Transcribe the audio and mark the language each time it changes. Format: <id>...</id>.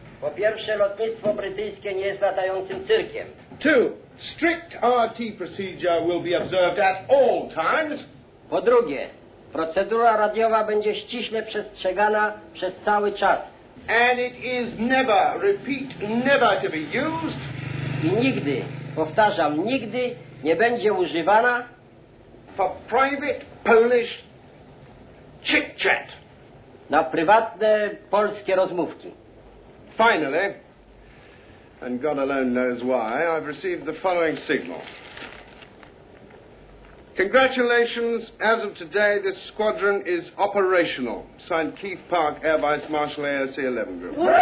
<pl>Po pierwsze, lotnictwo brytyjskie nie jest latającym cyrkiem.</pl> <en>Two, strict RT procedure will be observed at all times.</en> <pl>Po drugie, procedura radiowa będzie ściśle przestrzegana przez cały czas.</pl> <en>And it is never, repeat, never to be used.</en> <pl>I nigdy, powtarzam, nigdy nie będzie używana.</pl> <en>For private Polish chit-chat.</en> <pl>Na prywatne polskie rozmówki.</pl> <en>Finally, and God alone knows why, I've received the following signal. Congratulations, as of today, this squadron is operational. Signed, Keith Park, Air Vice Marshal, AOC 11 Group.</en>